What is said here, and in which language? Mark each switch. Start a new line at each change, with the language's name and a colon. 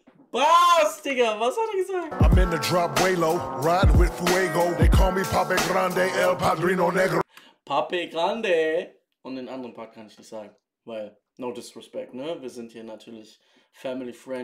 German: Boss, Digga, was hat er gesagt?
English: I'm in the drop way low, riding with Fuego. They call me Pape Grande, El Padrino Negro. Pape Grande.
German: Und den anderen Part kann ich nicht sagen, weil,
English: no disrespect,
German: ne? Wir sind hier natürlich
English: family friend.